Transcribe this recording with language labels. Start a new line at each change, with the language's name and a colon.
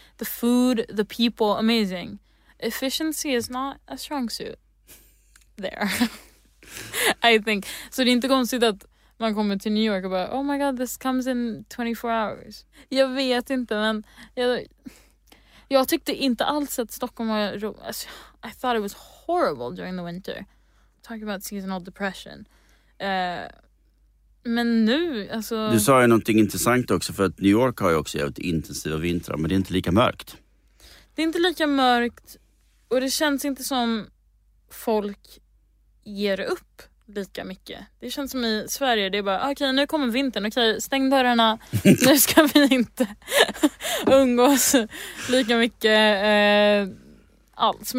English: The food, the people, amazing. Efficiency is not a strong suit there. I think.
Swedish: Så det är inte konstigt att man kommer till New York och bara,
English: oh my god, this comes in 24 hours.
Swedish: Jag vet inte, men jag tyckte inte alls att Stockholm var roligt.
English: I thought it was horrible during the winter. Talk about seasonal depression.
Swedish: Men nu, alltså... Du sa ju någonting intressant också, för att New York har ju också haft intensiva vintrar, men det är inte lika mörkt. Det är inte lika mörkt, och det känns inte som folk ger upp lika mycket. Det känns som i Sverige, det är bara, okej, nu kommer vintern, okej, stäng dörrarna, nu ska vi inte umgås lika mycket alls.